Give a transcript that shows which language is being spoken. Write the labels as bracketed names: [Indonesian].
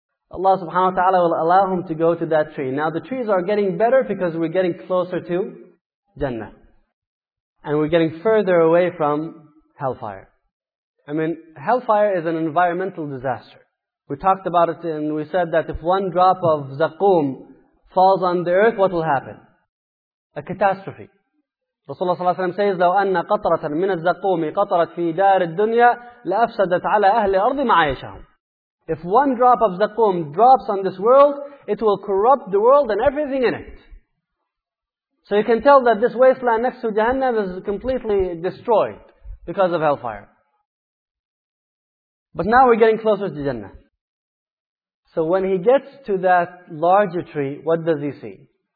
[English] Allah subhanahu wa ta'ala will allow him to go to that tree. Now the trees are getting better because we're getting closer to Jannah. And we're getting further away from hellfire. I mean, hellfire is an environmental disaster. We talked about it and we said that if one drop of zakum falls on the earth, what will happen? A catastrophe. Rasulullah sallallahu alayhi wa sallam says, [Arabic] لَوْ أَنَّ قَطْرَةً مِنَ الزَّقُومِ قَطَرَتْ فِي دَارِ الدُّنْيَا لَأَفْسَدَتْ عَلَىٰ أَهْلِ أَرْضِ مَعَيْشَهُمْ. [English] If one drop of zakum drops on this world, it will corrupt the world and everything in it. So you can tell that this wasteland next to Jahannam is completely destroyed because of hellfire. But now we're getting closer to Jannah. So when he gets to that larger tree, what does he see?